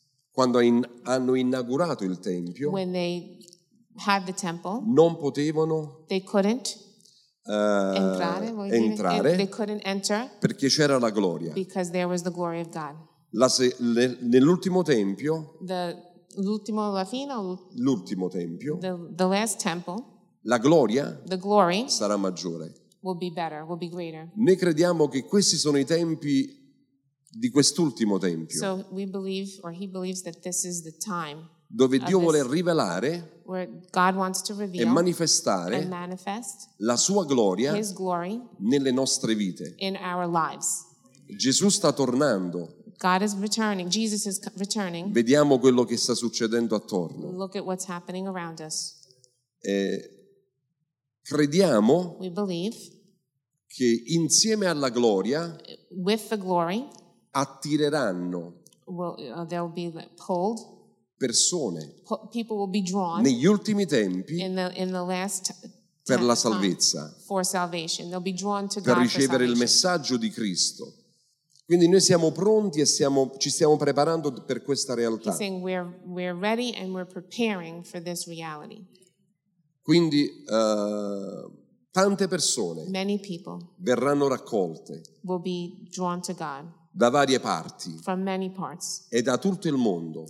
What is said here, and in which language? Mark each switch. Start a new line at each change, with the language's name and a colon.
Italian: quando hanno inaugurato il tempio,
English: when they had the temple,
Italian: non potevano,
English: they couldn't,
Italian: entrare,
English: they couldn't enter,
Italian: perché c'era la gloria,
English: because there was the glory of God.
Italian: Nell'ultimo tempio, l'ultimo, la fine, l'ultimo tempio,
English: the last temple,
Italian: la gloria,
English: the glory,
Italian: sarà maggiore,
English: will be better, will be greater.
Italian: Noi crediamo che questi sono i tempi di quest'ultimo tempio,
English: so we believe, or he believes that this is the time,
Italian: dove Dio vuole rivelare,
English: where God wants to reveal,
Italian: e manifestare,
English: and manifest,
Italian: la sua gloria,
English: his glory,
Italian: nelle nostre vite,
English: in our lives.
Italian: Gesù sta tornando.
English: God is returning. Jesus is returning.
Italian: Vediamo quello che sta succedendo attorno.
English: Look at what's happening around us.
Italian: Crediamo,
English: we believe,
Italian: che insieme alla gloria,
English: with the glory,
Italian: attireranno,
English: well, they'll be pulled,
Italian: persone,
English: people will be drawn,
Italian: negli ultimi tempi,
English: in the last,
Italian: per la salvezza,
English: for salvation, they'll be drawn to God,
Italian: per ricevere il messaggio di Cristo. Quindi noi siamo pronti e ci stiamo preparando per questa realtà.
English: He's saying we're ready and we're preparing for this reality.
Italian: Quindi tante persone,
English: many people,
Italian: verranno raccolte,
English: will be drawn to God,
Italian: da varie parti,
English: from many parts,
Italian: e da tutto il mondo,